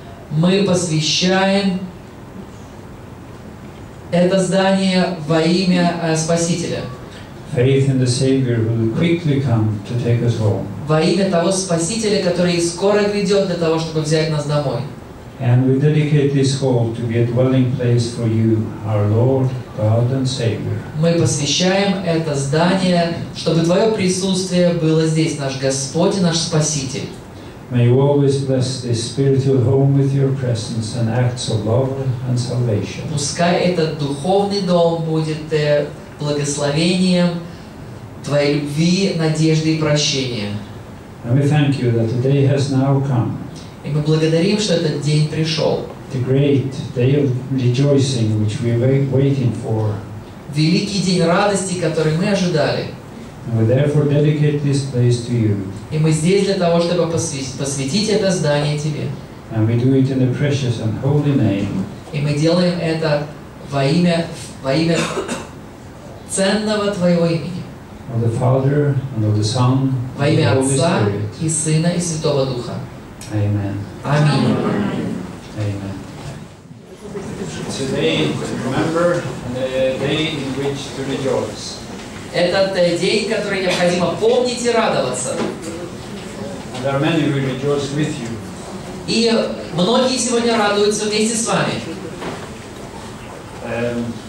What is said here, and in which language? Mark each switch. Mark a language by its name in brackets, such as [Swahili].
[Russian] Мы посвящаем это здание во имя Спасителя. Во имя того Спасителя, который скоро грядет для того, чтобы взять нас домой. [English] And we dedicate this hall to be a dwelling place for you, our Lord, God and Savior. [Russian] Мы посвящаем это здание, чтобы твое присутствие было здесь, наш Господь и наш Спаситель. [English] May you always bless this spiritual home with your presence and acts of love and salvation. [Russian] Пускай этот духовный дом будет благословением твоей любви, надежды и прощения. [English] And we thank you that the day has now come. [Russian] И мы благодарим, что этот день пришел. [English] The great day of rejoicing, which we were waiting for. [Russian] Великий день радости, который мы ожидали. [English] And we therefore dedicate this place to you. [Russian] И мы здесь для того, чтобы посвятить это здание тебе. [English] And we do it in the precious and holy name. [Russian] И мы делаем это во имя ценного твоего имени. [English] Of the Father and of the Son. [Russian] Во имя [English] and the Holy [Russian] Отца и Сына и Святого Духа. Amen. Amen. Amen. [English] Today to remember the day in which to rejoice. [Russian] Этот день, который необходимо помнить и радоваться. [English] There are many who rejoice with you. [Russian] И многие сегодня радуются вместе с вами.